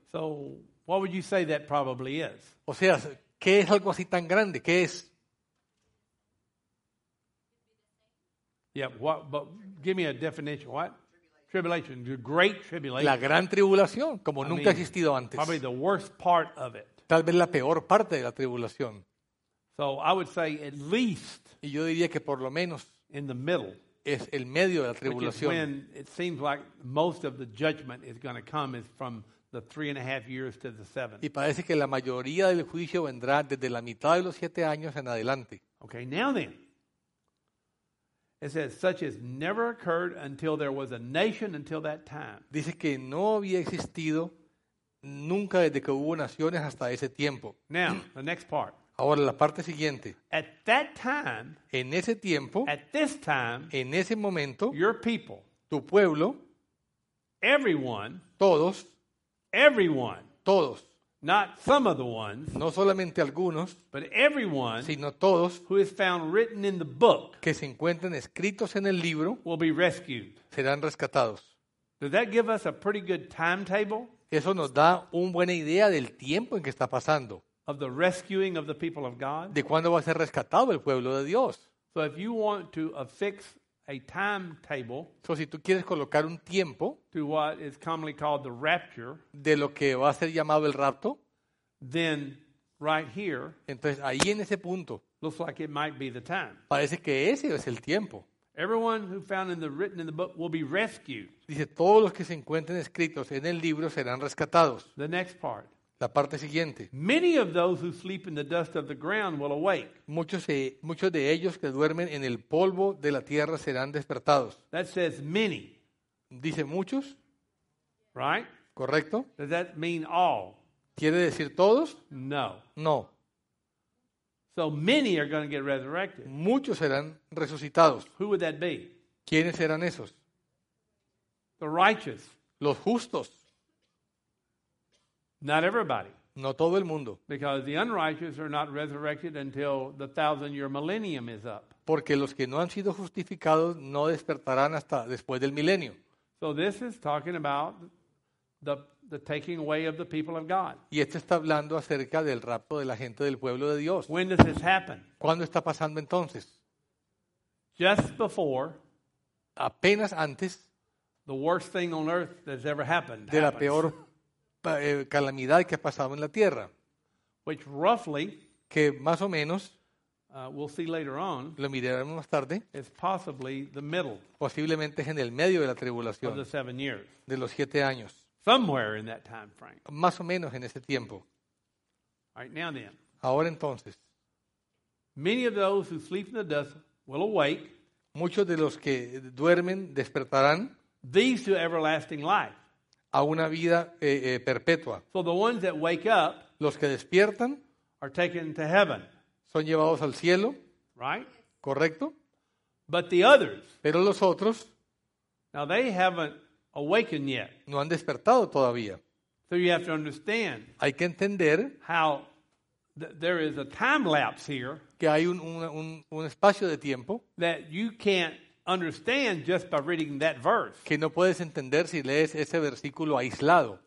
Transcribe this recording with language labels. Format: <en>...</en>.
<en>So, what would you say that probably is?</en> <es>O sea, ¿qué es algo así tan grande? ¿Qué es?</es> <en>Yeah, what, but give me a definition. What? Tribulation, the great tribulation.</en> <es>La gran tribulación, como nunca ha existido antes.</es> <en>Probably the worst part of it.</en> <es>Tal vez la peor parte de la tribulación.</es> <en>So I would say at least,</en> <es>y yo diría que por lo menos</es> <en>in the middle,</en> <es>es el medio de la tribulación.</es> <en>Which is when it seems like most of the judgment is going to come is from the 3.5 years to the 7.</en> <es>Y parece que la mayoría del juicio vendrá desde la mitad de los 7 años en adelante.</es> <en>Okay, now then. It says, such as never occurred until there was a nation until that time.</en> <es>Dice que no había existido nunca desde que hubo naciones hasta ese tiempo.</es> <en>Now, the next part.</en> <es>Ahora, la parte siguiente.</es> <en>At that time,</en> <es>en ese tiempo,</es> <en>at this time,</en> <es>en ese momento,</es> <en>your people,</en> <es>tu pueblo,</es> <en>everyone,</en> <es>todos,</es> <en>everyone,</en> <es>todos,</es> <en>not some of the ones,</en> <es>no solamente algunos,</es> <en>but everyone,</en> <es>sino todos,</es> <en>who is found written in the book,</en> <es>que se encuentran escritos en el libro,</es> <en>will be rescued.</en> <es>Serán rescatados.</es> <en>Does that give us a pretty good timetable?</en> <es>Eso nos da una buena idea del tiempo en que está pasando.</es> <en>Of the rescuing of the people of God.</en> <es>De cuándo va a ser rescatado el pueblo de Dios.</es> <en>So if you want to affix a timetable,</en> <es>so si tú quieres colocar un tiempo,</es> <en>to what is commonly called the rapture,</en> <es>de lo que va a ser llamado el rapto,</es> <en>then right here,</en> <es>entonces ahí en ese punto,</es> <en>looks like it might be the time.</en> <es>Parece que ese es el tiempo.</es> <en>Everyone who found in the written in the book will be rescued.</en> <es>Dice todos los que se encuentren escritos en el libro serán rescatados.</es> <en>The next part.</en> <es>La parte siguiente.</es> <en>Many of those who sleep in the dust of the ground will awake.</en> <es>Muchos de ellos que duermen en el polvo de la tierra serán despertados.</es> <en>That says many.</en> <es>Dice muchos.</es> <en>Right?</en> <es>Correcto.</es> <en>Does that mean all?</en> <es>¿Quiere decir todos?</es> <en>No.</en> <es>No.</es> <en>So many are going to get resurrected.</en> <es>Muchos serán resucitados.</es> <en>Who would that be?</en> <es>¿Quiénes serán esos?</es> <en>The righteous.</en> <es>Los justos.</es> <en>Not everybody.</en> <es>No todo el mundo.</es> <en>Because the unrighteous are not resurrected until the 1,000-year millennium is up.</en> <es>Porque los que no han sido justificados no despertarán hasta después del milenio.</es> <en>So this is talking about the taking away of the people of God.</en> <es>Y esto está hablando acerca del rapto de la gente del pueblo de Dios.</es> <en>When does this happen?</en> <es>¿Cuándo está pasando entonces?</es> <en>Just before,</en> <es>apenas antes,</es> <en>the worst thing on earth that's ever happened.</en> <es>De</es> <en>happens.</en> <es>La peor calamidad que ha pasado en la tierra.</es> <en>Which roughly,</en> <es>que más o menos,</es> <en>we'll see later on,</en> <es>lo miraremos más tarde,</es> <en>is possibly the middle,</en> <es>posiblemente es en el medio de la tribulación,</es> <en>of the 7 years,</en> <es>de los 7 años.</es> <en>Somewhere in that time frame.</en> <es>Más o menos en ese tiempo.</es> <en>All right, now then.</en> <es>Ahora entonces.</es> <en>Many of those who sleep in the dust will awake.</en> <es>Muchos de los que duermen despertarán.</es> <en>These to everlasting life.</en> <es>A una vida perpetua.</es> <en>So the ones that wake up.</en> <es>Los que despiertan.</es> <en>Are taken to heaven.</en> <es>Son llevados al cielo.</es> <en>Right.</en> <es>Correcto.</es> <en>But the others.</en> <es>Pero los otros.</es> <en>Now they haven't awaken yet.</en> <es>No han despertado todavía.</es> <en>So you have to understand.</en> <es>Hay que entender</es> <en>how there is a time lapse here.</en> <es>Que hay un espacio de tiempo</es> <en>that you can't understand just by reading that verse.</en> <es>Que no puedes entender si lees ese versículo aislado.</es>